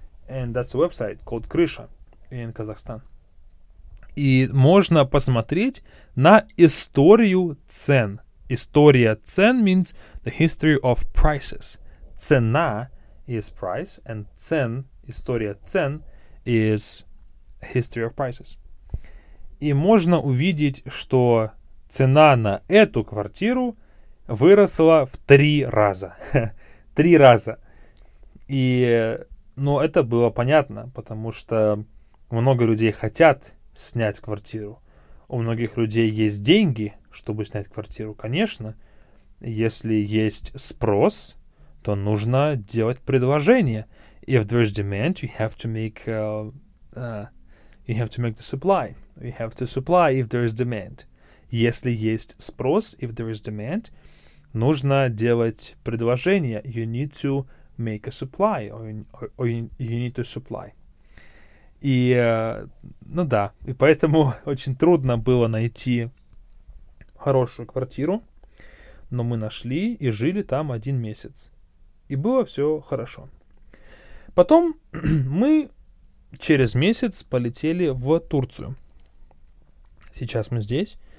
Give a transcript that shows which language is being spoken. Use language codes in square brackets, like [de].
[en] And that's a website called Крыша in Kazakhstan. [ru] И можно посмотреть на историю цен. [en] История цен means the history of prices. Цена is price, and цен, история цен, is history of prices. [ru] И можно увидеть, что цена на эту квартиру выросла в 3 раза. Три раза. И, ну, это было понятно, потому что много людей хотят снять квартиру. у многих людей есть деньги, чтобы снять квартиру. Конечно, если есть спрос, то нужно делать предложение. [en] If there is demand, you have to make you have to make the supply. You have to supply if there is demand. [ru] Если есть спрос, [en] if there is demand, [ru] нужно делать предложение. [en] You need to make a supply, or you need to supply. [ru] И, ну да, и поэтому очень трудно было найти хорошую квартиру, но мы нашли и жили там один месяц. И было все хорошо. Потом мы через месяц полетели в Турцию. Сейчас мы здесь.